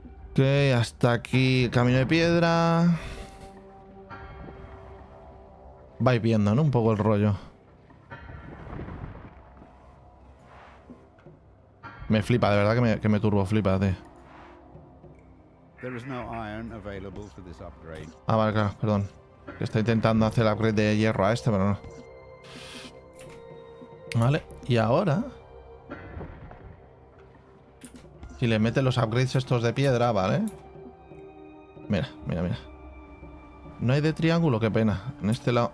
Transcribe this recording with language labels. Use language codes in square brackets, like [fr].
[es] Ok, hasta aquí el camino de piedra. Vais viendo, ¿no? Un poco el rollo. Me flipa, de verdad que me turbo flipa, tío. [en] There is no iron available for this upgrade. [es] Ah, vale, claro, perdón. Está intentando hacer el upgrade de hierro a este, pero no. Vale, y ahora... Si le meten los upgrades estos de piedra, ¿vale? Mira, mira, mira. No hay de triángulo, qué pena. En este lado...